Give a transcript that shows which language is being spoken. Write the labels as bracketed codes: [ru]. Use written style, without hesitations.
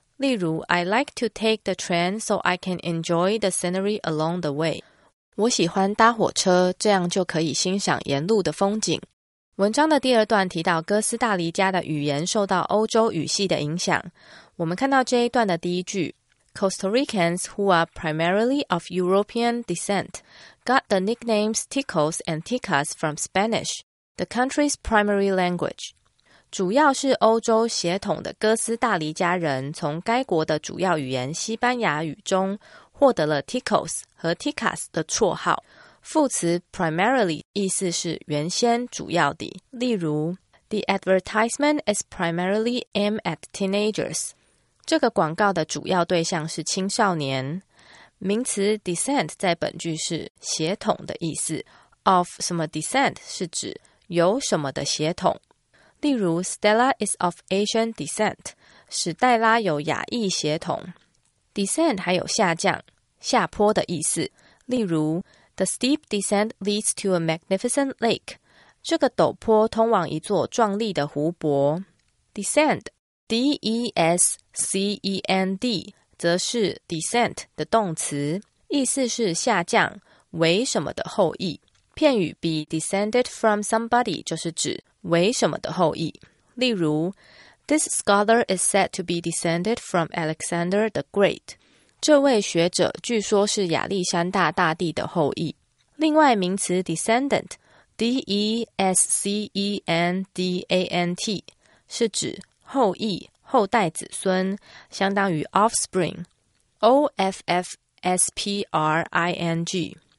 [en] 例如 I like to take the train so I can enjoy the scenery along the way。 [zh] 我喜欢搭火车，这样就可以欣赏沿路的风景。文章的第二段提到哥斯达黎加的语言受到欧洲语系的影响。我们看到这一段的第一句， [en] Costa Ricans who are primarily of European descent got the nicknames Ticos and Ticas from Spanish, the country's primary language. [zh] 主要是欧洲血统的哥斯达黎加人从该国的主要语言西班牙语中获得了 Ticos 和 Ticas 的绰号。副词 primarily 意思是原先、主要的。 [en] 例如 The advertisement is primarily aimed at teenagers. [zh] 这个广告的主要对象是青少年。名词 descent 在本句是血统的意思。 Of 什么 descent 是指有什么的血统。例如 [en] Stella is of Asian descent. [zh] 史黛拉有亚裔血统。 Descent 还有下降、下坡的意思。例如 [en] The steep descent leads to a magnificent lake. [zh] 这个陡坡通往一座壮丽的湖泊。 Descent, D-E-S-C-E-N-D, 则是 descent 的动词，意思是下降，为什么的后裔。片语 be descended from somebody 就是指为什么的后裔。 [en] 例如 This scholar is said to be descended from Alexander the Great. [zh] 这位学者据说是亚历山大大帝的后裔。另外名词 descendant, D-E-S-C-E-N-D-A-N-T, 是指后裔、后代子孙，相当于 offspring, O-F-F-S-P-R-I-N-G.